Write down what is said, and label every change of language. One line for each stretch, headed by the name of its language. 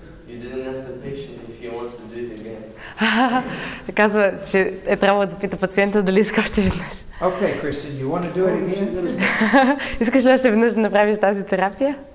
English: You didn't ask the patient if he wants to do it again.
Bulgarian: Казва, че е трябвало да пита пациента дали иска още веднъж.
English: Okay, Christian, you want to do it again?
Bulgarian: Искаш ли още веднъж да направиш тази терапия?